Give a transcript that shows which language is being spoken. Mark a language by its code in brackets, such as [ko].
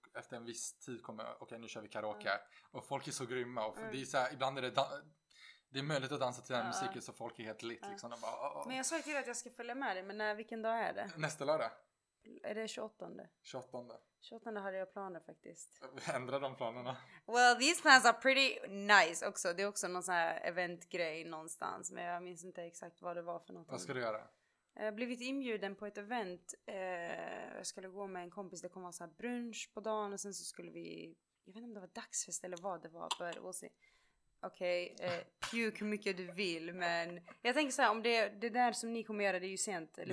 [sv] Efter en viss tid kommer, okej, nu kör vi karaoke. Mm. Och folk är så grymma. Och det är så här, ibland är det, det är möjligt att dansa till den musiken så folk är helt lit. Liksom. Bara, Men jag sa till dig att jag ska följa med dig. Men när, vilken dag är det? Nästa lördag. Är det 28? 28. 28 hade jag planer faktiskt. Ändra de planerna. [en] Well, these plans are pretty nice också. [sv] Det är också någon sån här eventgrej någonstans. Men jag minns inte exakt vad det var för något. Vad ska du göra? Jag har blivit inbjuden på ett event. Jag skulle gå med en kompis. Det kommer vara så här brunch på dagen. Och sen så skulle vi... Jag vet inte om det var dagsfest eller vad det var. [en] But we'll see. [sv] Okej, puke hur mycket du vill. Men jag tänker så här, om det, det där som ni kommer göra, det är ju sent, eller